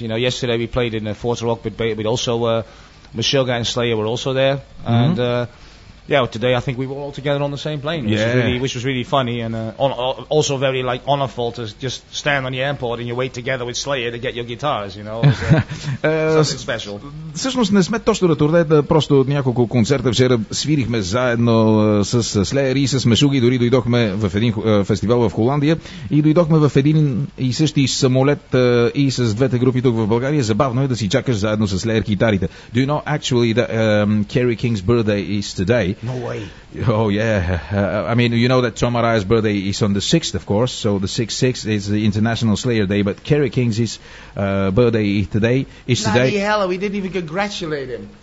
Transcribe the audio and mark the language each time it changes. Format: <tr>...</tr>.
<en>You know, yesterday we played in the Fort Rock, but also Meshuggah and Slayer were also there. Mm-hmm. And today I think we were all together on the same plane, which was really funny and also very like honorful to just stand on the airport and you wait together with Slayer to get your guitars. You know, something special.</en> <bg>Всъщност не сме точно на турне, просто от няколко концерта вчера свирихме заедно с Slayer и с Meshuggah, дори дойдохме в един фестивал в Холандия и дойдохме в един и същи самолет и с двете групи тук в България. Забавно е да си чакаш заедно с Slayer китарите.</bg> <en>Do you know actually that Kerry King's birthday is today? No way. Oh yeah. You know that Tom Araya's birthday is on the 6th, of course, so the 6th is the International Slayer Day, but Kerry King's birthday today is today. Bloody hell, we didn't even congratulate him.</en>